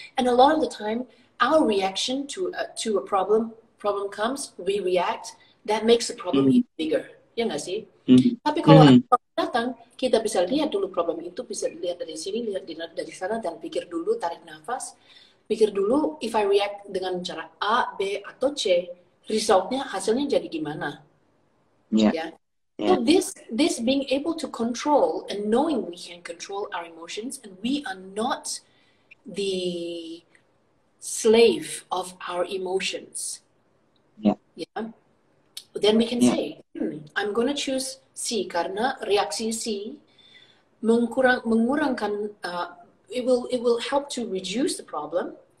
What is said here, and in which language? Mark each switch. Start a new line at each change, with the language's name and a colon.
English: And a lot of the time, our reaction to a problem comes, we react, that makes the problem even bigger,
Indonesian: ya nggak sih? Tapi kalau problem datang, kita bisa lihat dulu problem itu, bisa lihat dari sini, lihat dari sana, dan pikir dulu, tarik nafas, pikir dulu,
English: if I react
Indonesian: dengan cara A, B, atau C, resultnya, hasilnya jadi gimana?
English: Yeah. This being able to control and knowing we can control our emotions and we are not the slave of our emotions. Then we can say, I'm gonna choose C
Indonesian: karena reaksi C mengurangkan
English: it will help to reduce the problem.